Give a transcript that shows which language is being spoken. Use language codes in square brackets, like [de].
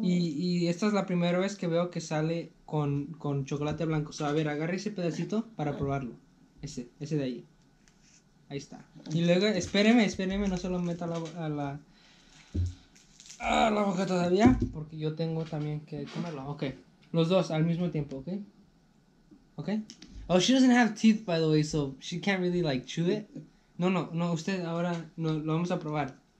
[es] Y esta es la primera vez que veo que sale con chocolate blanco. So, a ver, agarre ese pedacito para probarlo. Ese de ahí. Ahí está. Y luego, espéreme, no se lo meta a la boca todavía, porque yo tengo también que comerlo. Okay, los dos al mismo tiempo, okay? [en] Okay? Oh, she doesn't have teeth, by the way, so she can't really, like, chew it. [es] No, usted ahora, no, lo vamos a probar.